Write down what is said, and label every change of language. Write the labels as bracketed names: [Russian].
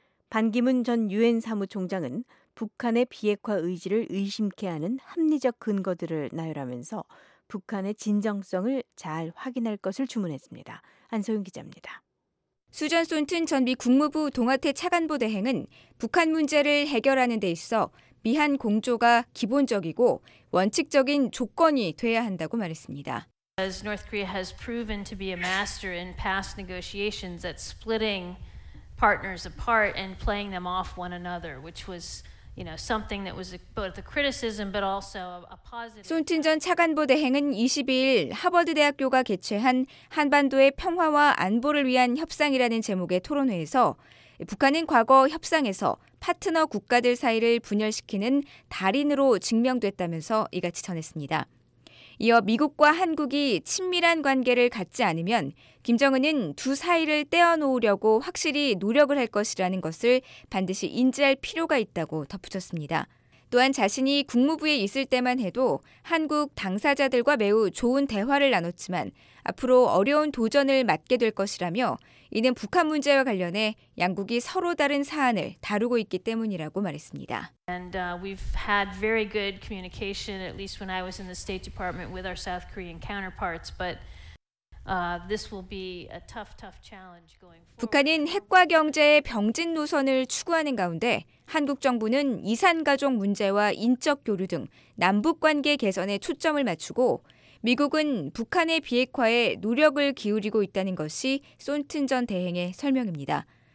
[Korean] 반기문 전 유엔 사무총장은 북한의 비핵화 의지를 의심케 하는 합리적 근거들을 나열하면서 북한의 진정성을 잘 확인할 것을 주문했습니다. 안소윤 기자입니다. 수잔 손튼 전 미 국무부 동아태 차관보 대행은 북한 문제를 해결하는 데 있어 미한 공조가 기본적이고 원칙적인 조건이 돼야 한다고 말했습니다. [English] As North Korea has proven to be a master in past negotiations at splitting partners apart and playing them off one another, which was, you know, something that was both a criticism but also a positive. [Korean] 손튼 전 차관보 대행은 22일 하버드대학교가 개최한 한반도의 평화와 안보를 위한 협상이라는 제목의 토론회에서 북한은 과거 협상에서 파트너 국가들 사이를 분열시키는 달인으로 증명됐다면서 이같이 전했습니다. 이어 미국과 한국이 친밀한 관계를 갖지 않으면 김정은은 두 사이를 떼어놓으려고 확실히 노력을 할 것이라는 것을 반드시 인지할 필요가 있다고 덧붙였습니다. 또한 자신이 국무부에 있을 때만 해도 한국 당사자들과 매우 좋은 대화를 나눴지만 앞으로 어려운 도전을 맞게 될 것이라며 이는 북한 문제와 관련해 양국이 서로 다른 사안을 다루고 있기 때문이라고 말했습니다. [English] And we've had very good communication, at least when I was in the State Department with our South Korean counterparts, but this will be a tough challenge going forward. [Korean] 북한은 핵과 경제의 병진 노선을 추구하는 가운데 한국 정부는 이산가족 문제와 인적 교류 등 남북 관계 개선에 초점을 맞추고 미국은 북한의 비핵화에 노력을 기울이고 있다는 것이 손튼 전 대행의 설명입니다.